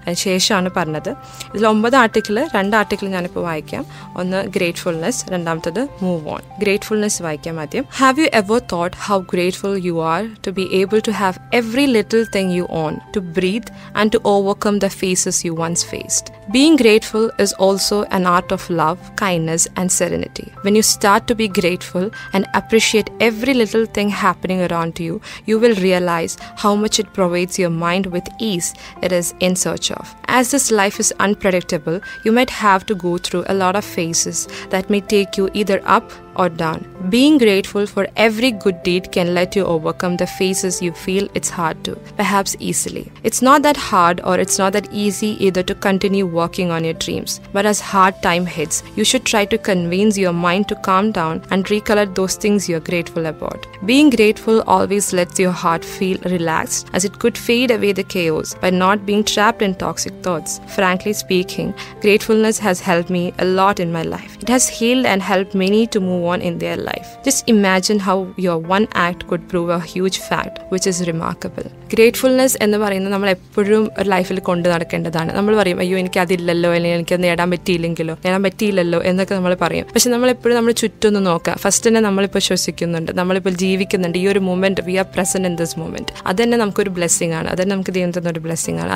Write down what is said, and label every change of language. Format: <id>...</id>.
<ml>അതിന് ശേഷമാണ് പറഞ്ഞത്. ഇതിൽ 9 ആർട്ടിക്കിൾ, 2 ആർട്ടിക്കിൾ ഞാനിപ്പോൾ വായിക്കാം. ഒന്ന് ഗ്രേറ്റ്ഫുൾനെസ്, രണ്ടാമത്തത് മൂവ് ഓൺ. ഗ്രേറ്റ്ഫുൾനെസ് വായിക്കാം ആദ്യം.</ml> <en>Have you ever thought how grateful you are to be able to have every little thing you own, to breathe and to overcome the phases you once faced. Being grateful is also an art of love, kindness, and serenity. When you start to be grateful and appreciate every little thing happening around you, you will realize how much it provides your mind with ease it is in search of. As this life is unpredictable, you might have to go through a lot of phases that may take you either up or down. Being grateful for every good deed can let you overcome the phases you feel it's hard to, perhaps easily. It's not that hard or it's not that easy either to continue working on your dreams. But as hard time hits, you should try to convince your mind to calm down and recollect those things you're grateful about. Being grateful always lets your heart feel relaxed as it could fade away the chaos by not being trapped in toxic thoughts. Frankly speaking, gratefulness has helped me a lot in my life. It has healed and helped many to move on in their life. Just imagine how your one act could prove a huge fact, which is remarkable.</en> <ml>Gratefulness എന്ന് പറയുന്നത് നമ്മൾ എപ്പോഴും ഒരു ലൈഫിൽ കൊണ്ടു നടക്കേണ്ടതാണ്. നമ്മൾ പറയും അയ്യോ എനിക്കതില്ലല്ലോ, അല്ലെങ്കിൽ എനിക്കത് നേടാൻ പറ്റിയില്ലെങ്കിലോ, നേടാൻ പറ്റിയില്ലല്ലോ എന്നൊക്കെ നമ്മൾ പറയും. പക്ഷെ നമ്മളെപ്പോഴും നമ്മൾ ചുറ്റൊന്ന് നോക്കുക. ഫസ്റ്റ് തന്നെ നമ്മളിപ്പോൾ ശ്വസിക്കുന്നുണ്ട്, നമ്മളിപ്പോൾ ജീവിക്കുന്നുണ്ട്, ഈ ഒരു moment</ml> <en>we are present in this moment,</en> <ml>അത് തന്നെ നമുക്കൊരു ബ്ലെസ്സിംഗ് ആണ്, അത് തന്നെ നമുക്ക് ദൈവം തന്നൊരു ബ്ലെസ്സിംഗ് ആണ്.</ml>